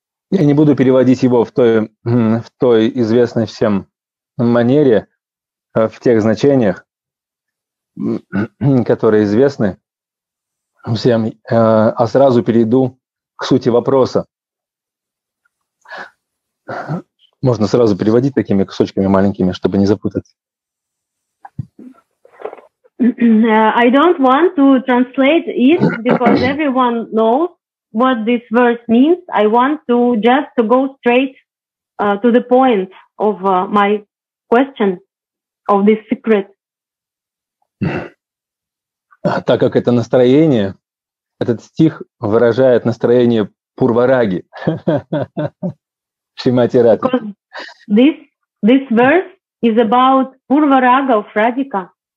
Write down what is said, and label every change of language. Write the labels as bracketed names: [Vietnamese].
[Russian] Я не буду переводить его в той известной всем манере, в тех значениях, которые известны всем, а сразу перейду к сути вопроса. Можно сразу переводить такими кусочками маленькими, чтобы не запутать. [English] I don't want to translate it because everyone knows what this verse means. I want to just to go straight to the point of my question of this secret. [Russian] Так как это настроение, этот стих выражает настроение Пурвараги. Шримати Радхи. [English] Because this verse is about Purvaraga of Radhika.